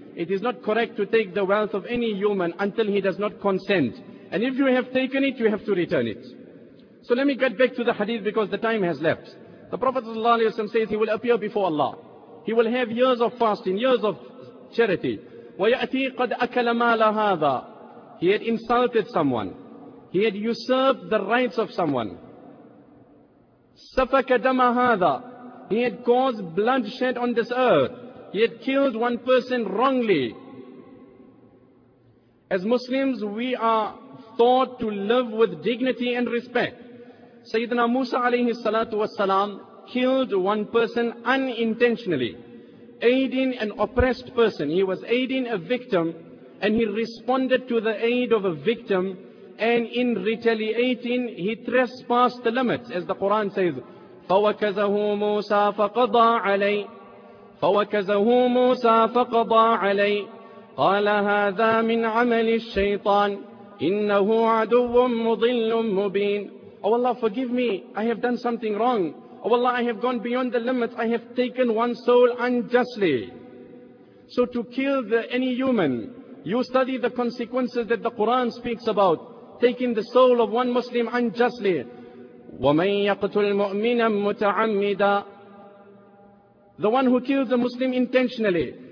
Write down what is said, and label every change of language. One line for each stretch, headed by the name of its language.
English: It is not correct to take the wealth of any human until he does not consent. And if you have taken it, you have to return it. So let me get back to the hadith because the time has left. The Prophet ﷺ says he will appear before Allah. He will have years of fasting, years of charity.
Arabic: وَيَأْتِي قَدْ أَكَلَ مَالَ هَذَا
English: He had insulted someone. He had usurped the rights of someone.
Arabic: سَفَكَ دَمَ هَذَا
English: He had caused bloodshed on this earth. He had killed one person wrongly. As Muslims, we are taught to live with dignity and respect. Sayyidina Musa alayhi salatu wasalam killed one person unintentionally, aiding an oppressed person. He was aiding a victim and he responded to the aid of a victim and in retaliating, he trespassed the limits. As the Quran says,
Arabic: فَوَكَزَهُ مُوسَى فَقَضَى عَلَيْهِ فَوَكَزَهُ مُوسَى فَقَضَى عَلَيْهِ قَالَ هَذَا مِنْ عَمَلِ الشَّيْطَانِ إِنَّهُ عَدُوٌ مُضِلٌ مُبِينٌ
English: Oh Allah, forgive me. I have done something wrong. Oh Allah, I have gone beyond the limits. I have taken one soul unjustly. So to kill any human, you study the consequences that the Quran speaks about. Taking the soul of one Muslim unjustly.
Arabic: وَمَنْ يَقْتُلْ مُؤْمِنًا مُتَعَمِّدًا
English: The one who kills a Muslim intentionally.